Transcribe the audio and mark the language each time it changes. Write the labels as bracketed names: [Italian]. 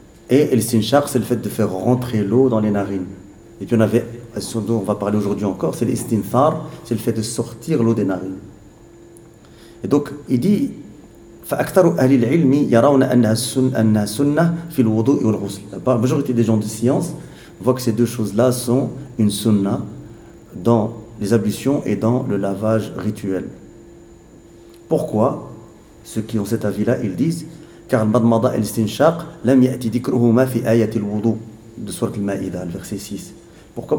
[French] Et l'istinshaq, c'est le fait de faire rentrer l'eau dans les narines. Et puis on avait, ce dont on va parler aujourd'hui encore, c'est l'istinthar, c'est le fait de sortir l'eau des narines. Et donc, il dit, [Arabic] فأكثر أهل العلم يرون أنها سنة في الوضوء والغسل. [French] La majorité des gens de science voient que ces deux choses-là sont une sunna dans les ablutions et dans le lavage rituel. Pourquoi ceux qui ont cet avis-là, ils disent car le madmada et l'istinshaq [Arabic] lam yati dhikruhuma fi ayat al-wudu [French] de sourate al-Maïda, le verset 6. Pourquoi?